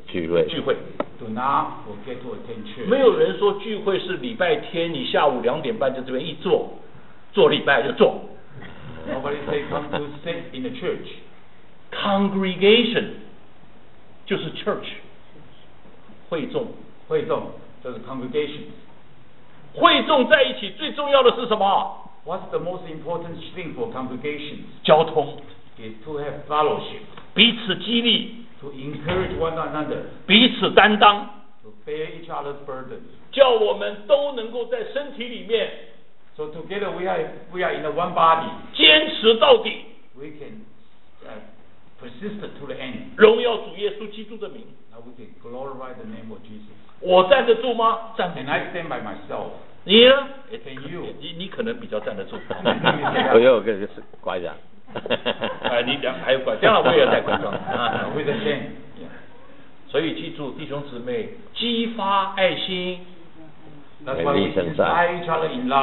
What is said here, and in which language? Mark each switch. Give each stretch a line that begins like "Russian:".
Chinese: 聚会。聚会。
English: Do not forget to attend church.
Chinese: 没有人说聚会是礼拜天，你下午两点半就这边一坐，坐礼拜就坐。
English: Nobody say come to sit in the church. Congregation
Chinese: 就是
English: church.
Chinese: 会众，会众就是 congregation. 会众在一起最重要的是什么？
English: What's the most important thing for congregations?
Chinese: 交通
English: is to have fellowship.
Chinese: 彼此激励
English: to encourage one another.
Chinese: 彼此担当
English: to bear each other's burdens.
Chinese: 叫我们都能够在身体里面。
English: So together we are in the one body.
Chinese: 坚持到底。
English: We can persist to the end.
Chinese: 荣耀主耶稣基督的名。
English: Now we can glorify the name of Jesus.
Chinese: 我站得住吗？站不住。
English: Can I stand by myself?
Chinese: 你呢
English: ？It's in you.
Chinese: 你可能比较站得住。不用，跟拐杖。你还有拐杖，将来我也带拐杖。
English: With the same.
Chinese: 所以记住，弟兄姊妹，激发爱心。
English: That's why we inspire each other in love.